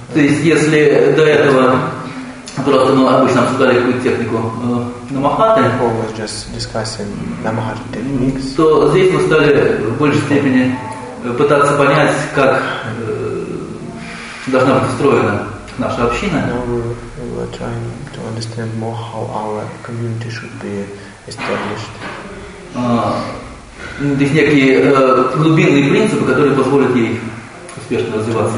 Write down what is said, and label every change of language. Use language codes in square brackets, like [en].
[ru] То есть если до этого просто мы обычно обсуждали какую-то технику намахаты. [en] Always just discussing намахата techniques. [ru] То здесь мы стали в большей степени пытаться понять, как должна быть устроена наша община. [en] Now we're trying to understand more how our community should be established. [ru] То есть некие глубинные принципы, которые позволят ей успешно развиваться.